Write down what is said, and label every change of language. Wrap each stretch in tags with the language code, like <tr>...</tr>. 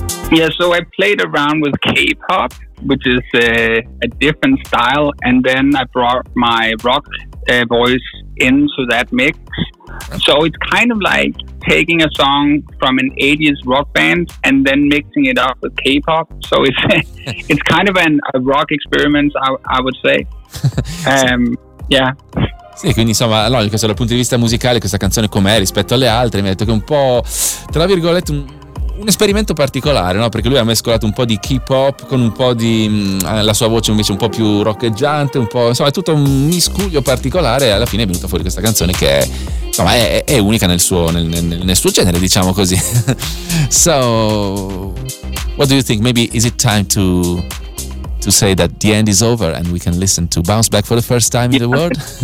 <en>Yeah, so I played around with K-pop, which is a different style, and then I brought my rock voice into that mix. So it's kind of like taking a song from an 80s rock band and then mixing it up with K-pop. So it's it's kind of a rock experiment, I would say. Yeah.</en> <it>Sì, quindi, insomma, logico, dal punto di vista musicale, questa canzone com'è rispetto alle altre? Mi ha detto che un po', tra virgolette, un esperimento particolare, no? Perché lui ha mescolato un po' di K-pop con un po' di la sua voce invece un po' più rockeggiante, un po', insomma, è tutto un miscuglio particolare, e alla fine è venuta fuori questa canzone che, insomma, è unica nel suo genere, diciamo così.</it> <en>So what do you think? Maybe is it time to say that the end is over and we can listen to Bounce Back for the first time in the world?</en>